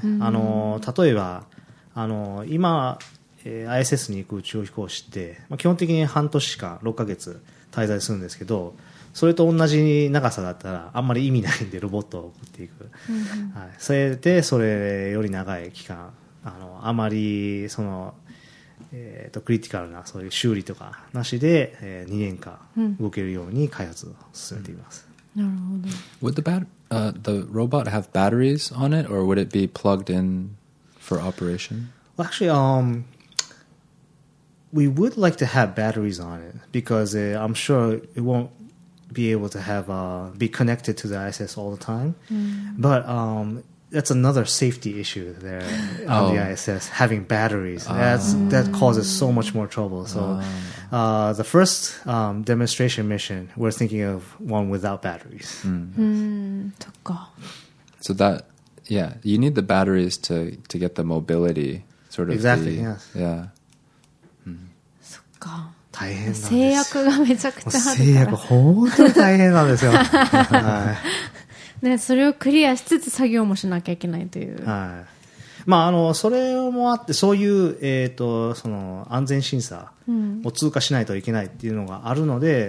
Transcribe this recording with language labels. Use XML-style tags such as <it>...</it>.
<ja>例えば今、ISS に行く宇宙飛行士って、まあ、基本的に半年か6ヶ月滞在するんですけど、それと同じ長さだったらあんまり意味ないんで、ロボットを送っていく、はい、それでそれより長い期間、あまりそのクリティカルなそういう修理とかなしで、2年間動けるように開発を進めています。なるほど。</ja> <en>Would the robot have batteries on it, or would it be plugged in for operation? Well, actually, we would like to have batteries on it, because I'm sure it won't be able to have be connected to the ISS all the time. Mm. But that's another safety issue there on the ISS, having batteries. That causes so much more trouble. So the first demonstration mission, we're thinking of one without batteries. So that, yeah, you need the batteries to get the mobility sort of. Exactly, the, yes. Yeah. So cool.</en> <ja>大変なんです。制約がめちゃくちゃあるから。制約本当に大変なんですよ。ね、それをクリアしつつ作業もしなきゃいけないという、はい、まあ、それもあってそういう、その安全審査を通過しないといけないっていうのがあるので、</ja>